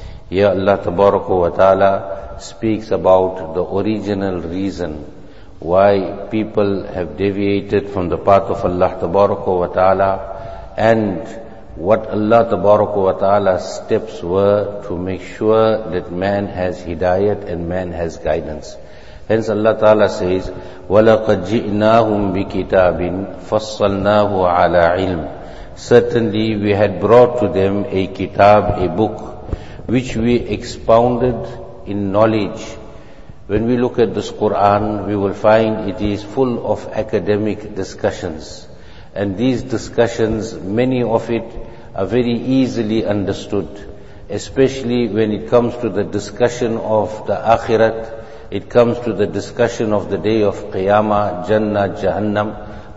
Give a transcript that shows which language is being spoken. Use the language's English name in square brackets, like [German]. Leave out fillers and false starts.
[English] Here Allah Tabaraka wa Ta'ala speaks about the original reason why people have deviated from the path of Allah Tabaraka wa Ta'ala, and what Allah Tabaraka wa Ta'ala's steps were to make sure that man has hidayat and man has guidance. Hence Allah Ta'ala says, [Arabic] وَلَقَدْ جِئْنَاهُمْ بِكِتَابٍ فَصَّلْنَاهُ عَلَىٰ عِلْمٍ. [English] Certainly we had brought to them a kitab, a book, which we expounded in knowledge. When we look at this Quran, we will find it is full of academic discussions. And these discussions, many of it are very easily understood, especially when it comes to the discussion of the Akhirat, it comes to the discussion of the day of Qiyamah, Jannah, Jahannam.